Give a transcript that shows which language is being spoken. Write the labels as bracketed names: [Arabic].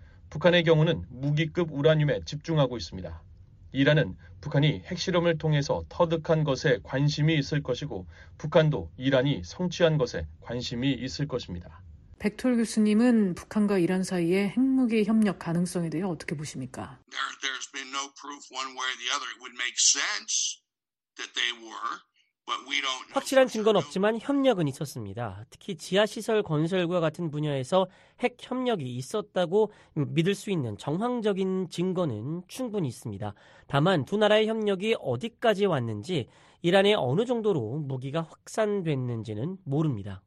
[Korean] 북한의 경우는 무기급 우라늄에 집중하고 있습니다. 이란은 북한이 핵실험을 통해서 터득한 것에 관심이 있을 것이고 북한도 이란이 성취한 것에 관심이 있을 것입니다. 벡톨 교수님은 북한과 이란 사이의 핵무기 협력 가능성에 대해 어떻게 보십니까? [English] There's been no proof one way or the other. It would make sense. That they were, [Korean] 확실한 증거는 없지만 협력은 있었습니다. 특히 지하시설 건설과 같은 분야에서 핵 협력이 있었다고 믿을 수 있는 정황적인 증거는 충분히 있습니다. 다만 두 나라의 협력이 어디까지 왔는지, 이란에 어느 정도로 무기가 확산됐는지는 모릅니다.